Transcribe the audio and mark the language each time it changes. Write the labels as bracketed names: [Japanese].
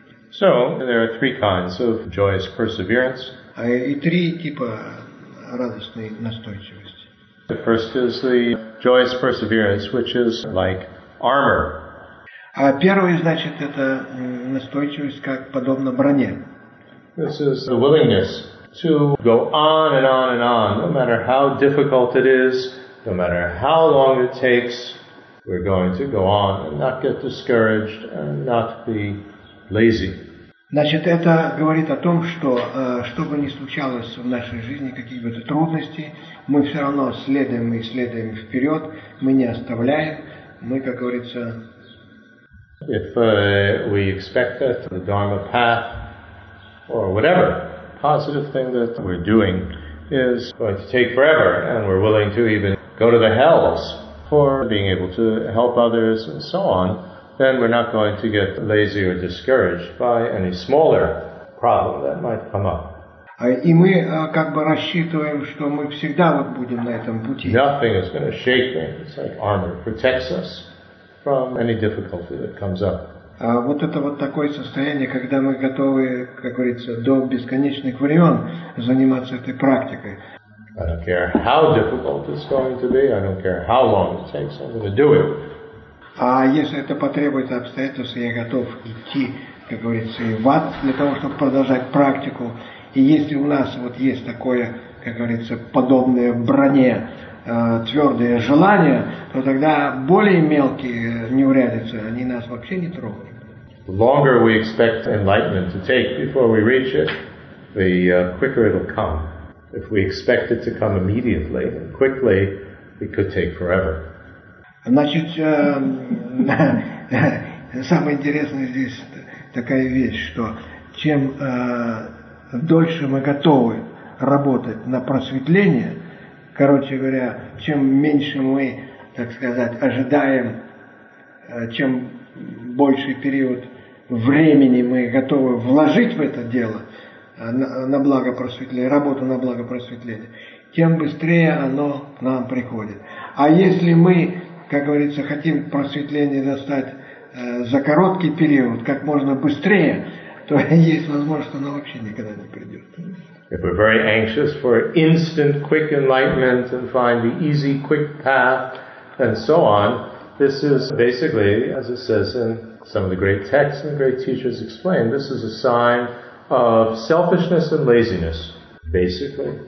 [English] So, there are three kinds of joyous perseverance. [Russian] И три типа радостной настойчивости. [English] The first is the joyous perseverance, which is like armor. [Russian] А первый, значит, это настойчивость, как подобно броне. [English] This is the willingness to go on and on and on, no matter how difficult it is, no matter how long it takes. We're going to go on and not get discouraged and not be lazy. [Russian] Значит, это говорит о том, что что бы ни случалось в нашей жизни, какие бы то трудности, мы все равно следуем и следуем вперед, мы не оставляем, мы, как говорится... [English] If we expect that the Dharma path or whatever positive thing that we're doing is going to take forever and we're willing to even go to the hells for being able to help others and so on, then we're not going to get lazy or discouraged by any smaller problem that might come up. [Russian] И мы как бы рассчитываем, что мы всегда вот будем на этом пути. [English] Nothing is going to shake me. It's like armor. It protects us from any difficulty that comes up. [Russian] Вот это вот такое состояние, когда мы готовы, как говорится, до бесконечных времен заниматься этой практикой. [English] I don't care how difficult it's going to be, I don't care how long it takes, I'm going to do it. [Russian] А если это потребует обстоятельств, я готов идти, как говорится, и в ад для того, чтобы продолжать практику. И если у нас вот есть такое, как говорится, подобное броне, твердое желание, то тогда более мелкие неурядицы, они нас вообще не трогают. [English] The longer we expect enlightenment to take before we reach it, the quicker it'll come. If we expect it to come immediately and quickly, it could take forever. [Russian] Значит, самое интересное здесь такая вещь, что чем дольше мы готовы работать на просветление, короче говоря, чем меньше мы, так сказать, ожидаем, чем больший период времени мы готовы вложить в это дело, на благо просветления, работу на благо просветления, тем быстрее оно к нам приходит. А если мы, как говорится, хотим просветление достать за короткий период, как можно быстрее, то есть возможность, что она вообще никогда не придет. [English] If we're very anxious for instant, quick enlightenment and find the easy, quick path and so on, this is basically, as it says in some of the great texts and the great teachers explain, this is a sign of selfishness and laziness, basically.